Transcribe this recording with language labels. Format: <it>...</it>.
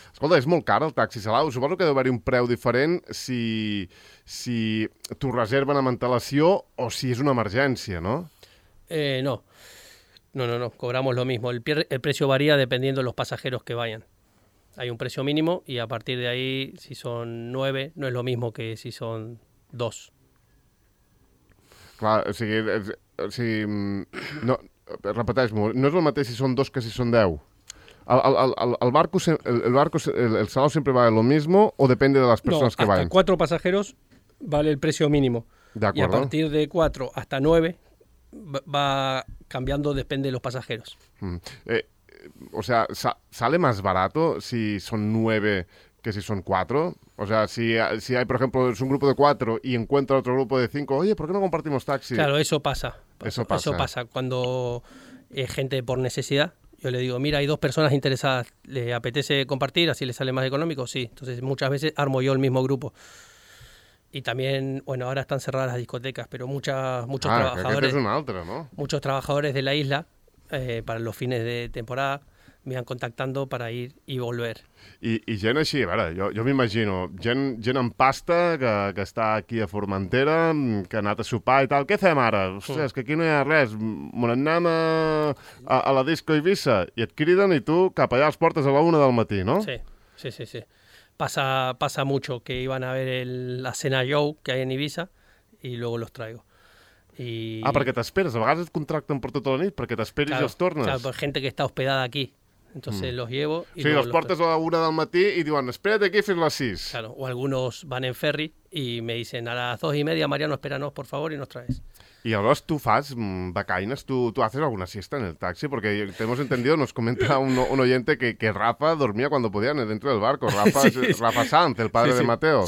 <ca>Escolta, és molt car el taxi Salau. Suposo que deu haver-hi un preu diferent si t'ho reserven amb antelació o si és una emergència, no?</ca> <es>No. Cobramos lo mismo. El precio varía dependiendo de los pasajeros que vayan. Hay un precio mínimo y a partir de ahí, si son 9, no es lo mismo que si son 2.</es> <ca>Clar, o sigui, no, repeteix-m'ho, no és el mateix si són 2 que si són 10.</ca> <es>El salón siempre vale lo mismo o depende de las personas que vayan? Hasta 4 pasajeros vale el precio mínimo. De acuerdo. Y a partir de 4 hasta 9 va cambiando, depende de los pasajeros. O sea, ¿sale más barato si son 9 que si son 4? O sea, si hay, por ejemplo, es un grupo de 4 y encuentra otro grupo de 5, oye, ¿por qué no compartimos taxi? Claro, eso pasa. Cuando es gente por necesidad, yo le digo, mira, hay 2 personas interesadas, ¿le apetece compartir? ¿Así le sale más económico? Sí. Entonces, muchas veces armo yo el mismo grupo. Y también, bueno, ahora están cerradas las discotecas, pero muchos trabajadores... Ah, es una otra, ¿no? Muchos trabajadores de la isla, para los fines de temporada, me van contactando para ir y volver.</es> <ca>I gent així, a veure, jo m'imagino, gent amb pasta que està aquí a Formentera, que ha anat a sopar i tal, què fem ara? Ostres, és que aquí no hi ha res, anem a la disco Eivissa, i et criden i tu cap allà als portes a la 1 del matí, no? Sí.</ca> <es>Pasa mucho que iban a ver la cena Joe que hay en Eivissa y luego los traigo.</es> <ca>Ah, perquè t'esperes. A vegades et contracten per tota la nit perquè t'esperis,</ca> <es>claro,</es> <ca>i els tornes. Claro, per gent que està hospedada aquí.</ca> <es>Entonces los llevo.</es> <ca>Sí, els portes a la 1 del matí i diuen, espérate aquí fins a les 6.</ca> <es>Claro, o algunos van en ferry y me dicen a las 2:30, Mariano, espéranos, por favor, y nos traes.</es> <ca>I llavors tu fas becaines,</ca> <es>tu haces alguna siesta en el taxi, porque tenemos entendido, nos comenta un oyente que Rafa dormía cuando podía dentro del barco, Rafa Sanz, el padre de Mateo.</es>